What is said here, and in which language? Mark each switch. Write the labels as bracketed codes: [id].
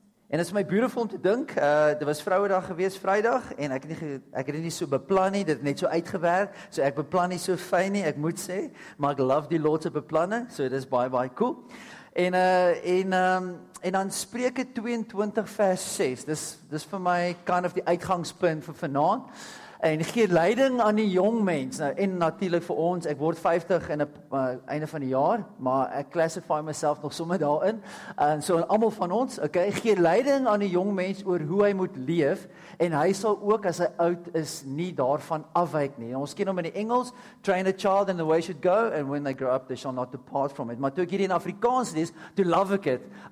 [af] En dit is my beautiful om te dink, dit was Vrouedag gewees Vrydag en ek het nie so beplan nie, dit net so uitgewerk. So ek beplan nie so fyn nie, ek moet sê, maar ek love die Lord se beplanne, so dit is baie baie cool. En dan Spreuke 22 vers 6. Dis vir my kind of die uitgangspunt vir vanaand. En gee leiding aan die jong mense. Nou en natuurlik vir ons, ek word 50 in 'n einde van die jaar, maar ek classify myself nog sommer daarin. En so almal van ons, okay, gee leiding aan die jong mens oor hoe hy moet leef en hy sal ook as hy oud is nie daarvan afwyk nie. En ons ken hom in die Engels, [en] train a child in the way it should go and when they grow up they shall not depart from it. [af] Maar toe ek hier in Afrikaans lees, [en] to love it.